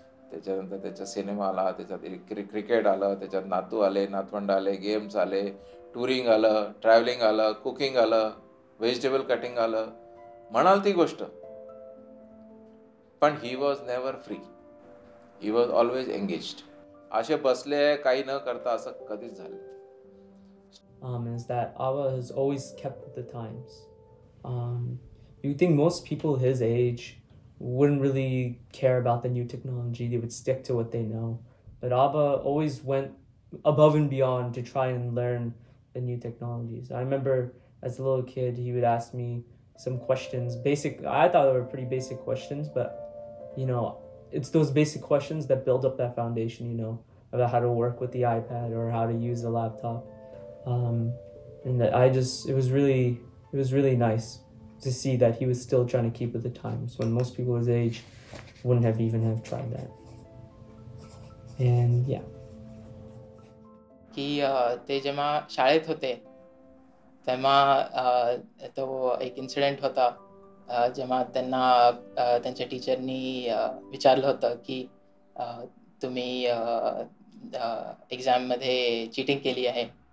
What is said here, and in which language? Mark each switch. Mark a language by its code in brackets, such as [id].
[mr] त्याच्यानंतर त्याच्या सिनेमा आला, त्याच्यात क्रिकेट आलं, त्याच्यात नातू आले, नातवंड आले, गेम्स आले, टुरिंग आलं, ट्रॅव्हलिंग आलं, कुकिंग आलं, व्हेजिटेबल कटिंग आलं म्हणाल ती गोष्ट, पण [en] He was never free, he was always engaged. [mr] असे बसले काही न करता असं कधीच झालं. [en] Is that Abba has always kept the times. You think most people his age wouldn't really care about the new technology, they would stick to what they know. But Abba always went above and beyond to try and learn the new technologies. I remember as a little kid, he would ask me some questions, basic, I thought they were pretty basic questions, but you know, it's those basic questions that build up that foundation, you know, about how to work with the iPad or how to use a laptop. And that I just, it was really nice to see that he was still trying to keep with the times when most people his age wouldn't have even have tried that. And yeah. [mr] कि ते जेव्हा शाळेत होते तेव्हा तो एक incident होता जेव्हा त्यांना त्यांच्या टीचरनी विचारलं होतं की तुम्ही एक्झाममध्ये चीटिंग केली आहे.